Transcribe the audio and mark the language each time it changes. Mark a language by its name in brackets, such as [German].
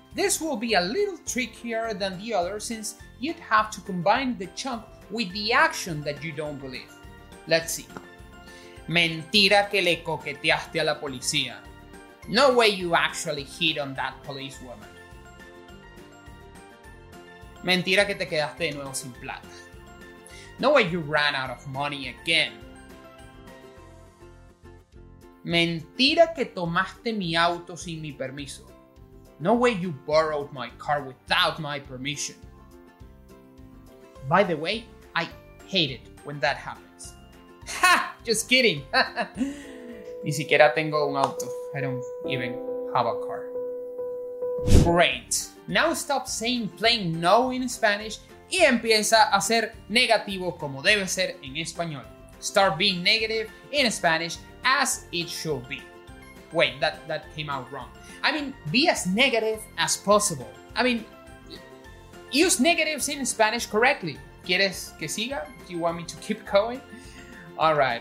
[English] This will be a little trickier than the other since you'd have to combine the chunk with the action that you don't believe. Let's see. [Spanish] Mentira que le coqueteaste a la policía. [English] No way you actually hit on that policewoman. [Spanish] Mentira que te quedaste de nuevo sin plata. [English] No way you ran out of money again. [Spanish] Mentira que tomaste mi auto sin mi permiso. [English] No way you borrowed my car without my permission. By the way, I hate it when that happens. Ha! Just kidding. [Spanish] Ni siquiera tengo un auto. [English] I don't even have a car. Great. Now stop saying plain no in Spanish [Spanish] y empieza a ser negativo como debe ser en español. [English] Start being negative in Spanish as it should be. Wait, that came out wrong. I mean, be as negative as possible. I mean, use negatives in Spanish correctly. [Spanish] ¿Quieres que siga? [English] Do you want me to keep going? All right.